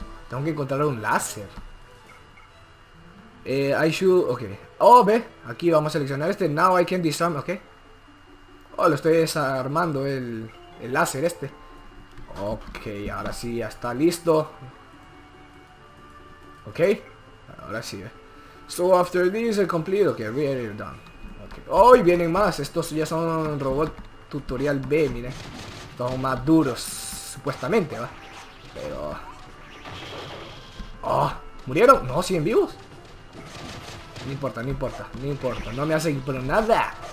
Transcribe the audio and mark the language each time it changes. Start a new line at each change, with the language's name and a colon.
Spanish: Tengo que encontrar un láser.
English: I should, ok.
Spanish: Oh, ve, aquí vamos a seleccionar este.
English: Now I can disarm, ok.
Spanish: Oh, lo estoy desarmando el láser este. Ok, ahora sí, ya está listo. Ok, ahora sí, ve.
English: So after this is complete, ok, we are done. Okay.
Spanish: Oh, y vienen más, estos ya son robots. Tutorial B, miren. Estos son más duros, supuestamente, ¿va? Pero... ¡Oh! ¿Murieron? No, siguen vivos. No importa, no importa, no importa. No me hacen pero nada.